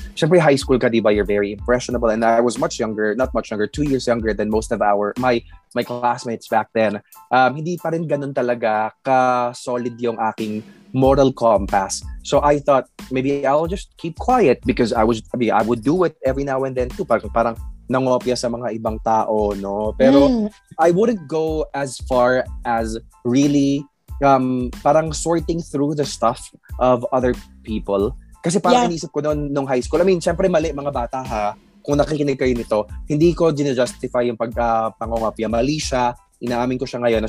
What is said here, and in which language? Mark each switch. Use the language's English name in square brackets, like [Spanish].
[Filipino] Siyempre high school ka, diba, [English] you're very impressionable and I was much younger, not much younger, 2 years younger than most of my classmates back then. [Filipino] Hindi pa rin ganun talaga ka-solid yung aking moral compass. [English] So I thought maybe I'll just keep quiet because I would do it every now and then too. [Filipino] Parang nangopya sa mga ibang tao, no? [English] Pero I wouldn't go as far as really parang sorting through the stuff of other people. [Filipino] Kasi parang inisip ko noon nung high school. I mean, syempre mali mga bata ha. Kung nakikinig kayo nito, hindi ko dinajustify yung pangongopya. Mali siya. Inaamin ko siya ngayon.